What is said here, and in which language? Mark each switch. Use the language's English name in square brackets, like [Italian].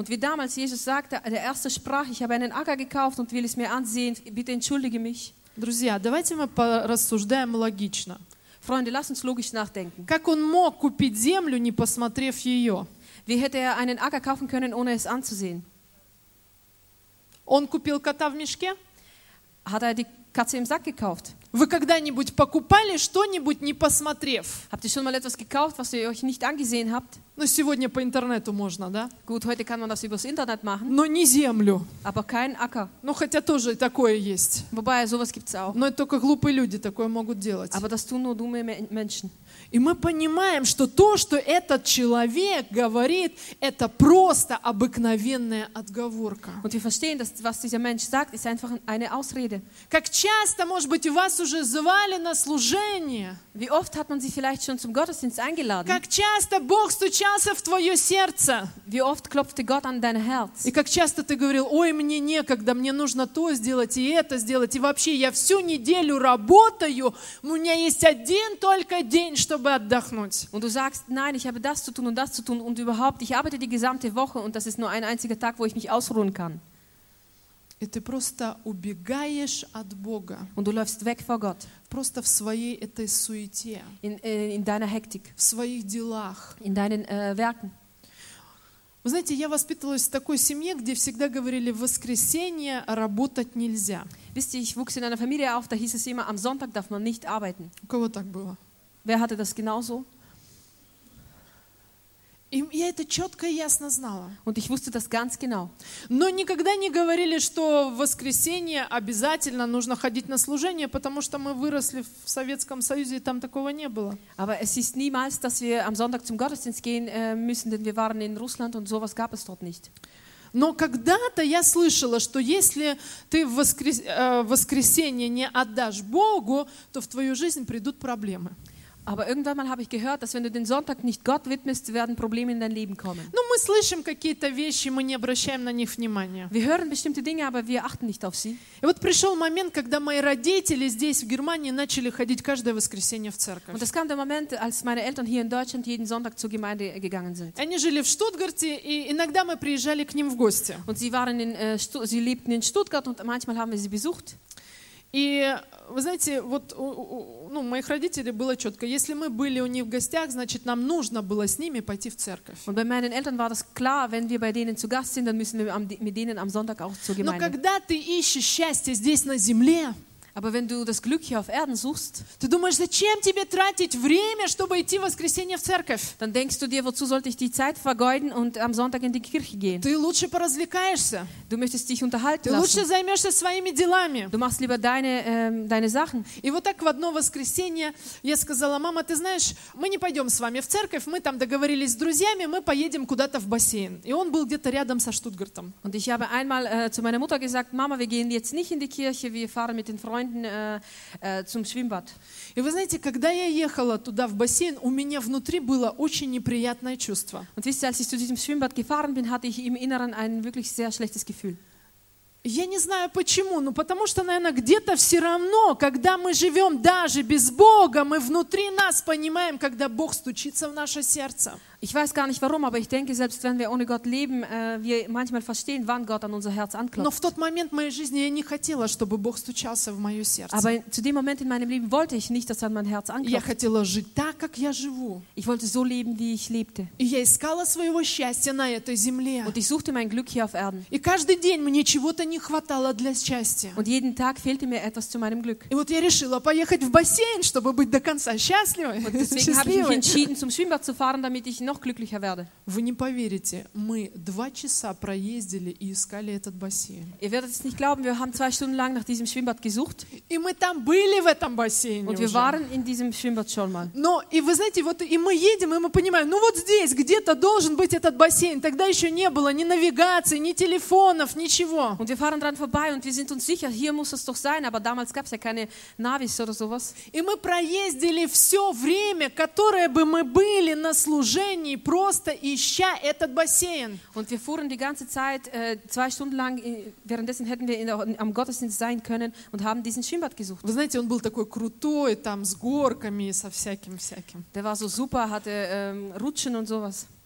[German] Und wie damals Jesus sagte, der erste sprach: "Ich habe einen Acker gekauft und will es mir ansehen, bitte entschuldige mich." [Russian] Друзья, давайте мы порассуждаем логично. [German] Freunde, lass uns logisch nachdenken. [Russian] Как он мог купить землю, не посмотрев ее? [German] Wie hätte er einen Acker kaufen können, ohne es anzusehen? [Russian] Он купил кота в мешке? [German] Hat er die Katze im Sack gekauft? [Russian] Вы когда-нибудь покупали что-нибудь, не посмотрев? [German] Habt ihr schon mal etwas gekauft, was ihr euch nicht angesehen habt? [Russian] Ну, сегодня по интернету можно, да? [German] Gut, heute kann man das übers Internet machen. [Russian] Но не землю. [German] Aber kein Acker. [Russian] Ну, хотя тоже такое есть. [German] Wobei, sowas gibt's auch. [Russian] Но это только глупые люди такое могут делать. [German] Aber das tun nur dumme Menschen. [Russian] И мы понимаем, что то, что этот человек говорит, это просто обыкновенная отговорка. [German] Und wir verstehen, dass was dieser Mensch sagt, ist einfach eine Ausrede. [Russian] Как часто, может быть, вас уже звали на служение? [German] Wie oft hat man sie vielleicht schon zum Gottesdienst eingeladen? [Russian] Как часто Бог стучался в твое сердце? [German] Wie oft klopfte Gott an dein Herz? [Russian] И как часто ты говорил: "Ой, мне некогда, мне нужно то сделать и это сделать, и вообще я всю неделю работаю, у меня есть один только день, чтобы отдохнуть." [German] Und du sagst: "Nein, ich habe das zu tun und das zu tun und überhaupt, ich arbeite die gesamte Woche und das ist nur ein einziger Tag, wo ich mich ausruhen kann." [Russian] И ты просто убегаешь от Бога. [German] Und du läufst weg vor Gott. [Russian] Просто в своей этой суете. [German] In deiner Hektik. [Russian] В своих делах. [German] In deinen Werken. [Russian] Вы знаете, я воспитывалась в такой семье, где всегда говорили: "В воскресенье работать нельзя." [German] Wisst ihr, ich wuchs in einer Familie auf, da hieß es immer: "Am Sonntag darf man nicht arbeiten." [Russian] У кого так было? [German] Wer hatte das genauso? [Russian] И я это четко и ясно знала. [German] Und ich wusste das ganz genau. [Russian] Но никогда не говорили, что в воскресенье обязательно нужно ходить на служение, потому что мы выросли в Советском Союзе, и там такого не было. [German] Aber es ist niemals, dass wir am Sonntag zum Gottesdienst gehen müssen, denn wir waren in Russland und sowas gab es dort nicht. [Russian] Но когда-то я слышала, что если ты в воскресенье не отдашь Богу, то в твою жизнь придут проблемы. [German] Aber irgendwann mal habe ich gehört, dass wenn du den Sonntag nicht Gott widmest, werden Probleme in dein Leben kommen. [Russian] Ну, мы слышим какие-то вещи, мы не обращаем на них внимания. [German] Wir hören bestimmte Dinge, aber wir achten nicht auf sie. [Russian] И вот пришел момент, когда мои родители здесь, в Германии, начали ходить каждое воскресенье в церковь. [German] Und es kam der Moment, als meine Eltern hier in Deutschland jeden Sonntag zur Gemeinde gegangen sind. [Russian] Они жили в Штутгарте, и иногда мы приезжали к ним в гости. [German] Und sie waren in sie lebten in Stuttgart und manchmal haben wir sie besucht. [Russian] И вы знаете, вот ну, у моих родителей было четко: если мы были у них в гостях, значит, нам нужно было с ними пойти в церковь. [German] Und bei meinen Eltern war das klar, wenn wir bei denen zu Gast sind, dann müssen wir mit denen am Sonntag auch zur Gemeinde. [Russian] Но когда ты ищешь счастье здесь на земле, [German] Aber wenn du das Glück hier auf Erden suchst, [Russian] ты думаешь, зачем тебе тратить время, чтобы идти в воскресенье в церковь? [German] Dann denkst du dir, wozu sollte ich die Zeit vergeuden und am Sonntag in die Kirche gehen? [Russian] Ты лучше поразвлекаешься. [German] Du möchtest dich unterhalten lassen. [Russian] Лучше займешься своими делами. [German] Du machst lieber deine Sachen. [Russian] И вот так в одно воскресенье я сказала: "Мама, ты знаешь, мы не пойдем с вами в церковь, мы там договорились с друзьями, мы поедем куда-то в бассейн." И он был где-то рядом со Штутгартом. [German] Und ich habe einmal zu meiner Mutter gesagt: "Mama, wir gehen jetzt nicht in die Kirche, wir fahren mit den Freunden zum Schwimmbad." [Russian] И вы знаете, когда я ехала туда в бассейн, у меня внутри было очень неприятное чувство. [German] Und wisst ihr, als ich zu diesem Schwimmbad gefahren bin, hatte ich im Inneren ein wirklich sehr schlechtes Gefühl. [Russian] Я не знаю почему, но потому что, наверное, где-то все равно, когда мы живем даже без Бога, мы внутри нас понимаем, когда Бог стучится в наше сердце. [German] Ich weiß gar nicht warum, aber ich denke, selbst wenn wir ohne Gott leben, wir manchmal verstehen, wann Gott an unser Herz anklopft. [Russian] Но в тот момент моей жизни я не хотела, чтобы Бог стучался в мое сердце. [German] Aber zu dem Moment in meinem Leben wollte ich nicht, dass er an mein Herz anklopft. [Russian] Я хотела жить так, как я живу. [German] Ich wollte so leben, wie ich lebte. [Russian] И я искала своего счастья на этой земле. [German] Und ich suchte mein Glück hier auf Erden. [Russian] И каждый день мне чего-то не хватало для счастья. [German] Und jeden Tag fehlte mir etwas zu meinem Glück. [Russian] И вот я решила поехать в бассейн, чтобы быть до конца счастливой. [German] Und deswegen habe ich mich entschieden, zum Schwimmbad zu fahren, damit ich noch glücklicher werde. [Russian] Вы не поверите, мы 2 часа проездили и искали этот бассейн. [German] Ihr werdet es nicht glauben, wir haben 2 Stunden lang nach diesem Schwimmbad gesucht. [Russian] И мы там были в этом бассейне. [German] Und wir waren in diesem Schwimmbad schon mal. [Russian] Но и вы знаете, вот и мы едем, и мы понимаем, ну вот здесь где-то должен быть этот бассейн. Тогда еще не было ни навигации, ни телефонов, ничего. [German] Und wir fahren dran vorbei und wir sind uns sicher, hier muss es doch sein, aber damals gab es ja keine Navis oder sowas. [Russian] И мы проездили все время, которое бы мы были на служении, просто ища этот бассейн. [German] Und wir fuhren die ganze Zeit 2 Stunden lang, währenddessen hätten wir am Gottesdienst sein können und haben diesen Schwimmbad gesucht. [Russian] Вы знаете, он был такой крутой, там с горками, со всяким. [German] Der war so super, hatte Rutschen und sowas.